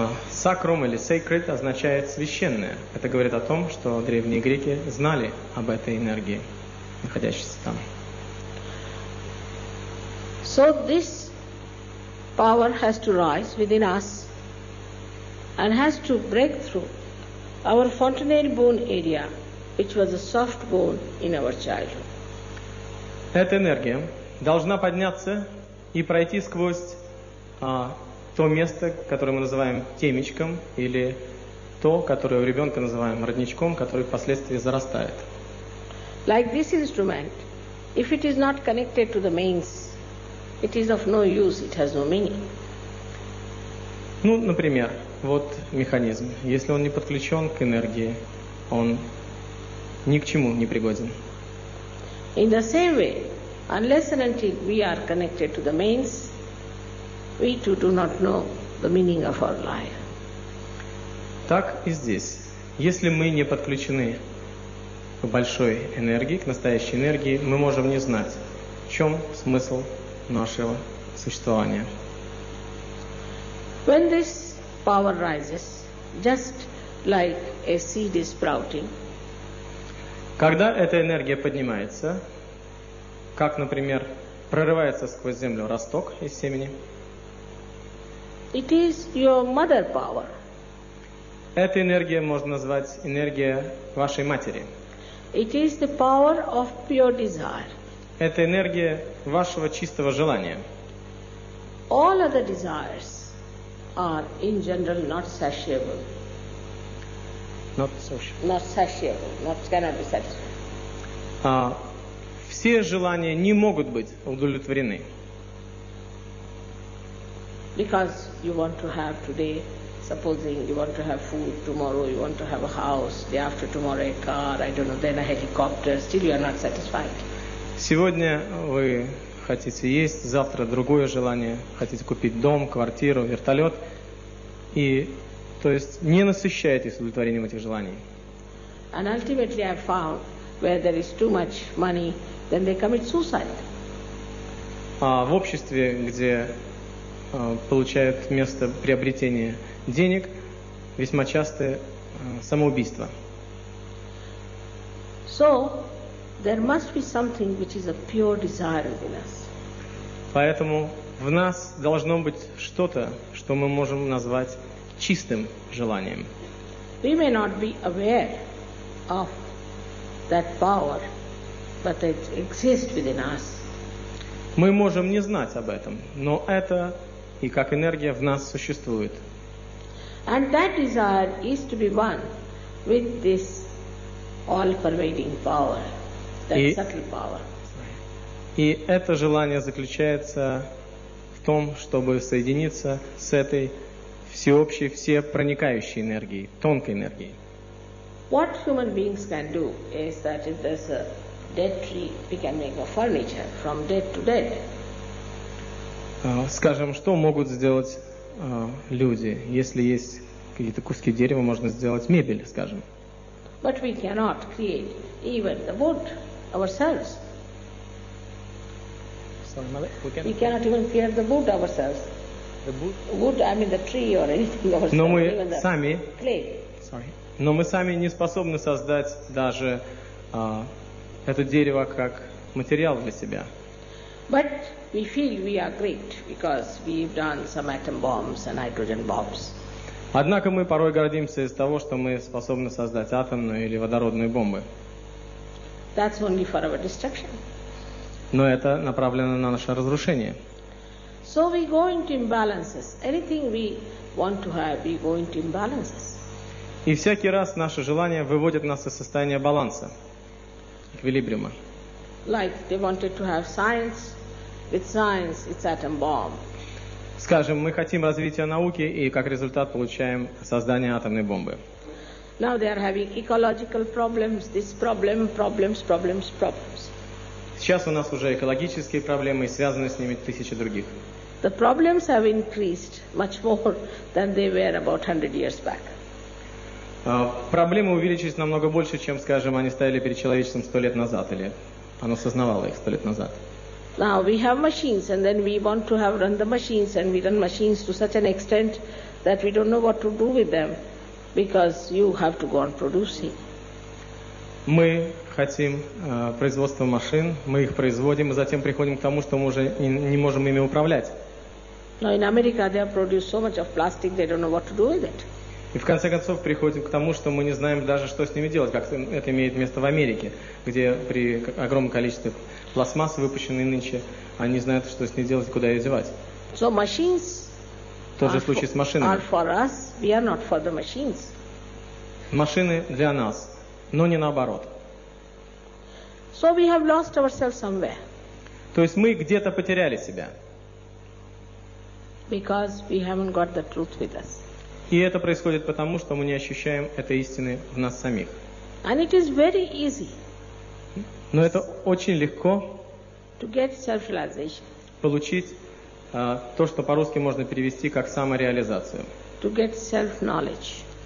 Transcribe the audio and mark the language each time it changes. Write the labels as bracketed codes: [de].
[ru] Сакрум или sacred означает священное. Это говорит о том, что древние греки знали об этой энергии, находящейся там. [en] So this power has to rise within us and has to break through our fontanel bone area, which was a soft bone in our childhood. [ru] Эта энергия должна подняться и пройти сквозь то место, которое мы называем темечком, или то, которое у ребенка называем родничком, который впоследствии зарастает. [en] Like this instrument, if it is not connected to the mains, it is of no use, it has no meaning. [ru] Ну, например, вот механизм. Если он не подключен к энергии, он ни к чему не пригоден. [en] In the same way, unless and until we are connected to the mains, we too do not know the meaning of our life. [ru] Так и здесь. Если мы не подключены к большой энергии, к настоящей энергии, мы можем не знать, в чем смысл нашего существования. [en] When this power rises, just like a seed is sprouting. [ru] Когда эта энергия поднимается, как, например, прорывается сквозь землю росток из семени. [en] It is your mother power. [ru] Эта энергия можно назвать энергия вашей матери. [en] It is the power of pure desire. [ru] Это энергия вашего чистого желания. [en] All other desires are in general not satiable. [ru] Все желания не могут быть удовлетворены. [en] Because you want to have today, supposing you want to have food, tomorrow you want to have a house, the after tomorrow a car, I don't know, then a helicopter, still you are not satisfied. [ru] Сегодня вы хотите есть, завтра другое желание, хотите купить дом, квартиру, вертолет, и, то есть, не насыщаетесь удовлетворением этих желаний. [en] And ultimately I found, where there is too much money, then they commit suicide. [ru] А в обществе, где получают место приобретения денег, весьма часто самоубийство. [en] So, there must be something which is a pure desire within us. [ru] Поэтому в нас должно быть что-то, что мы можем назвать чистым желанием. [en] We may not be aware of that power, but it exists within us. [ru] Мы можем не знать об этом, но это и как энергия в нас существует. [en] And that desire is to be one with this all-pervading power, that subtle power. [ru] И это желание заключается в том, чтобы соединиться с этой всеобщей, всепроникающей энергией, тонкой энергией. [en] What human beings can do is that if there's a dead tree, we can make a furniture from dead to dead. [ru] Скажем, что могут сделать люди, если есть какие-то куски дерева, можно сделать мебель, скажем. [en] But we cannot create even the wood ourselves. We cannot even create the wood ourselves. The wood? Wood, I mean the tree or anything ourselves. [ru] Но мы [en] even the [ru] сами. [en] Clay. Sorry. [ru] Но мы сами не способны создать даже это дерево как материал для себя. [en] But we feel we are great because we've done some atom bombs and hydrogen bombs. [ru] Однако мы порой гордимся из-за того, что мы способны создать атомную или водородную бомбы. [en] That's only for our destruction. [ru] Но это направлено на наше разрушение. [en] So we go into imbalances. Anything we want to have, we go into imbalances. [ru] И всякий раз наши желания выводят нас из состояния баланса, эквилибриума. [en] Like they wanted to have science, with science it's atom bomb. [ru] Скажем, мы хотим развития науки, и как результат получаем создание атомной бомбы. [en] Now they are having ecological problems, this problem, problems, problems, problems. [ru] Сейчас у нас уже экологические проблемы, и связаны с ними тысячи других. [en] The problems have increased much more than they were about 100 years back. [ru] Проблемы увеличились намного больше, чем, скажем, они стояли перед человечеством 100 лет назад, или оно сознавало их 100 лет назад. [en] Now we have machines, and then we want to have run the machines, and we run machines to such an extent that we don't know what to do with them, because you have to go on producing. [ru] Мы хотим производство машин, мы их производим, и затем приходим к тому, что мы уже не можем ими управлять. [en] Now in America they have produced so much of plastic, they don't know what to do with it. [ru] И в конце концов приходим к тому, что мы не знаем даже, что с ними делать, как это имеет место в Америке, где при огромном количестве пластмассы, выпущенной нынче, они не знают, что с ней делать, куда ее девать. [en] So machines [ru] тот же случай с машинами. [en] Are for us, we are not for the machines. [ru] Машины для нас, но не наоборот. [en] So we have lost ourselves somewhere. [ru] То есть мы где-то потеряли себя. [en] Because we haven't got the truth with us. [ru] И это происходит потому, что мы не ощущаем этой истины в нас самих. [en] And it is very easy. [ru] Но это очень легко [en] to get self-realization. [ru] Получить то, что по-русски можно перевести как самореализацию. [en] To get self-knowledge.